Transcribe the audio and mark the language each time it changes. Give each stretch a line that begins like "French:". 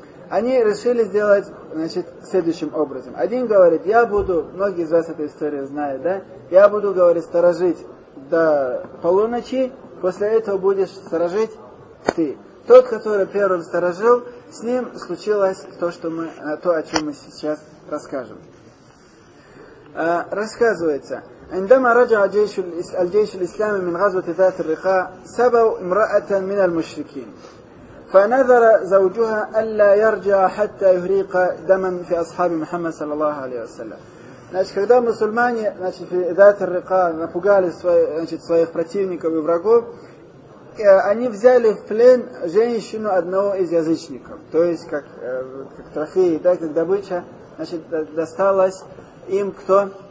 Russian: Они решили сделать, значит, следующим образом. Один говорит, я буду, многие из вас эту историю знают, да, я буду, говорит, сторожить до полуночи, после этого будешь сторожить ты. Тот, который первым сторожил, с ним случилось то, что мы, то, о чем мы сейчас расскажем. Рассказывается.
Arabic: عندما رجع الجيش الإسلامي من غزوة ذات الرقاء سبوا امرأة من المشركين فنذر زوجها ألا يرجع حتى يهريق دما في أصحاب محمد صلى الله عليه وسلم.
Russian: Значит, когда мусульмане, значит,
Arabic: في ذات الرقاء
Russian: напугали своих противников и врагов, они взяли в плен женщину одного из язычников, то есть как трофей, так как добыча, значит, досталась им кто?